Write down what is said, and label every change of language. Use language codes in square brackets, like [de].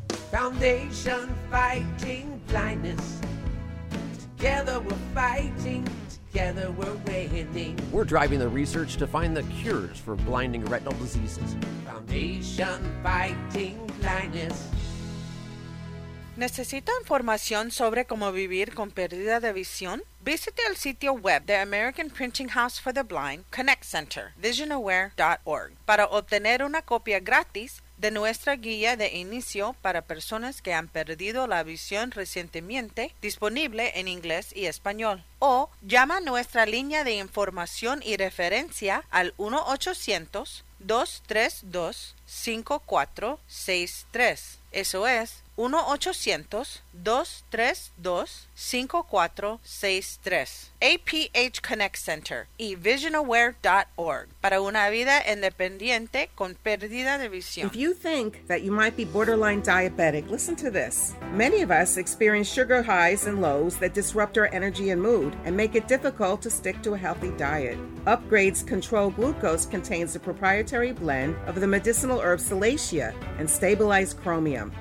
[en] Foundation fighting blindness. Together we're fighting, together we're winning. We're driving the research to find the cures for blinding retinal diseases. Foundation fighting blindness. [es] ¿Necesita información sobre cómo vivir con pérdida de visión? Visite el sitio web de American Printing House for the Blind, Connect Center, visionaware.org, para obtener una copia gratis de nuestra guía de inicio para personas que han perdido la visión recientemente, disponible en inglés y español. O llama a nuestra línea de información y referencia al 1-800-232-5463. Eso es 1-800-232-5463. APH Connect Center y visionaware.org para una vida independiente con pérdida de visión. [en] If you think that you might be borderline diabetic, listen to this. Many of us experience sugar highs and lows that disrupt our energy and mood and make it difficult to stick to a healthy diet. Upgrade's Control Glucose contains a proprietary blend of the medicinal herb Salacia and stabilized chromium.